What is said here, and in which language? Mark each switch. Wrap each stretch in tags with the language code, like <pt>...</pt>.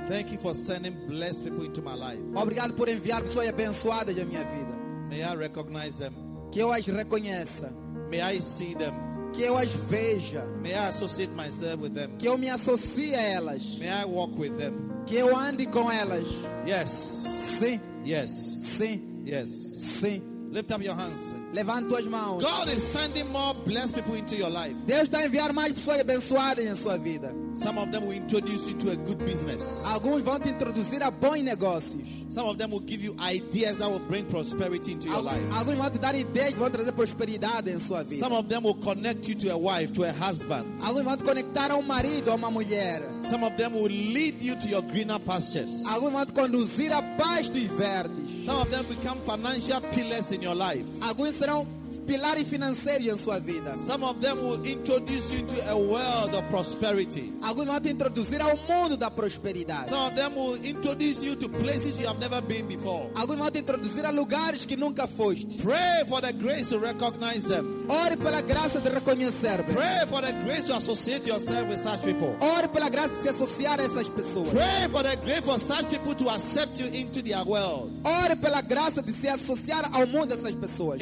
<en>Thank you for sending blessed people into my life.</en> <pt>Obrigado por enviar pessoas abençoadas na minha vida.</pt> <en>May I recognize them.</en> <pt>Que eu as reconheça.</pt> <en>May I see them.</en> <pt>Que eu as veja.</pt> <en>May I associate myself with them.</en> <pt>Que eu me associe a elas.</pt> <en>May I walk with them.</en> <pt>Que eu ande com elas.</pt> <en>Yes.</en> <pt>Sim.</pt> <en>Yes.</en> <pt>Sim.</pt> <en>Yes.</en> <pt>Sim.</pt> <en>Lift up your hands.</en> <pt>Levanta as mãos.</pt> <en>God is sending more blessed people into your life.</en> <pt>Deus está enviando mais pessoas abençoadas em sua vida.</pt> <en>Some of them will introduce you to a good business.</en> <pt>Alguns vão te introduzir a bons negócios.</pt> <en>Some of them will give you ideas that will bring prosperity into your life.</en> <pt>Alguns vão te dar ideias que vão trazer prosperidade em sua vida.</pt> <en>Some of them will connect you to a wife, to a husband.</en> <pt>Alguns vão te conectar a marido, a uma mulher.</pt> <en>Some of them will lead you to your greener pastures.</en> <pt>Alguns vão te conduzir a pastos verdes.</pt> <en>Some of them become financial pillars in your life.</en> <pt>Alguns serão pilares financeiros em sua vida.</pt> <en>Some of them will introduce you to a world of prosperity.</en> <pt>Alguns vão te introduzir ao mundo da prosperidade.</pt> <en>Some of them will introduce you to places you have never been before.</en> <pt>Alguns vão te introduzir a lugares que nunca foste.</pt> <en>Pray for the grace to recognize them.</en> <pt>Ore pela graça de reconhecer.</pt> <en>Pray for the grace to associate yourself with such people.</en> <pt>Ore pela graça de se associar a essas pessoas.</pt> <en>Pray for the grace for such people to accept you into their world.</en> <pt>Ore pela graça de se associar ao mundo dessas pessoas.</pt>